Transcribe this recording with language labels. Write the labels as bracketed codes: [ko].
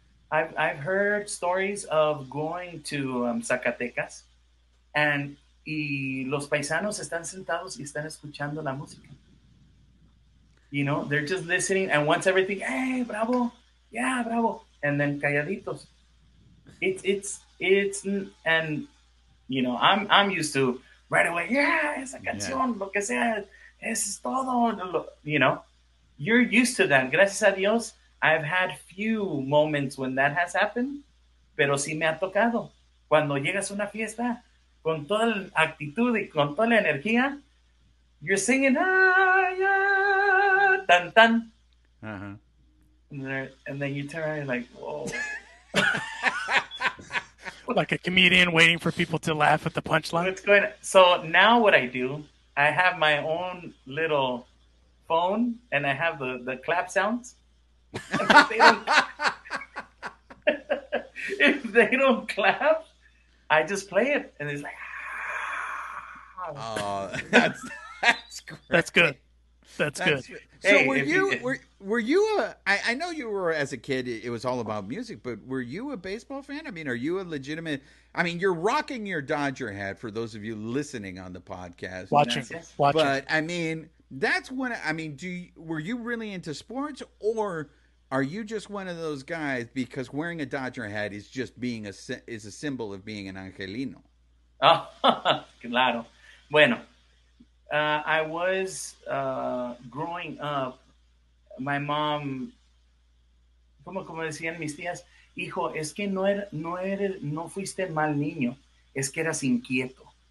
[en] I've heard stories of going to Zacatecas, and [es] y los paisanos están sentados y están escuchando la música. [en] You know, they're just listening, and once everything, hey, bravo, yeah, bravo. And then calladitos. It's and you know I'm used to right away. [es] Yeah, esa canción, lo que sea, es todo. [en] You know, you're used to that. [es] Gracias a Dios, [en] I've had few moments when that has happened, [es] pero sí me ha tocado. Cuando llegas a una fiesta con toda la actitud y con toda la energía, [en] you're singing [es] tan tan. Uh-huh. [en] And then you turn around and like, whoa. Like a comedian waiting for people to laugh at the punchline. What's going on? So now what I do, I have my own little phone and I have the clap sounds. If they don't clap, I just play it and it's like, oh, that's great. That's good. That's good. Hey, so I know you were as a kid, it was all about music, but were you a baseball fan? I mean, are you a legitimate, I mean, you're rocking your Dodger hat for those of you listening on the podcast. Watching. But I mean, were you really into sports or are you just one of those guys because wearing a Dodger hat is just is a symbol of being an Angelino? [es] Oh, claro. Bueno. [en] I was growing up, my mom, [es] como decían mis tías, hijo, es que no fuiste mal niño, es que eras inquieto.